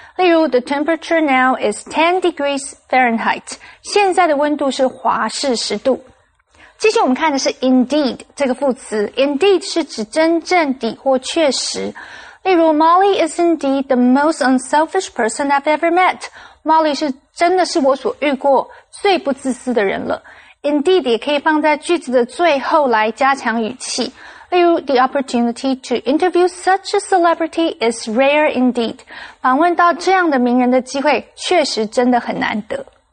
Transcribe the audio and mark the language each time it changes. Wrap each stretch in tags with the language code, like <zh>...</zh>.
<en>例如 The temperature now is 10 degrees Fahrenheit,</en> <zh>现在的温度是华氏10度。接下来我们看的是 indeed 这个副词， indeed 是指真正的或确实。</zh> <en>例如 Molly is indeed the most unselfish person I've ever met,Molly</en> <zh>是真的是我所遇过最不自私的人了。 Indeed 也可以放在句子的最后来加强语气。</zh> <en>例如 ,the opportunity to interview such a celebrity is rare indeed.</en> <zh>访问到这样的名人的机会确实真的很难得。</zh>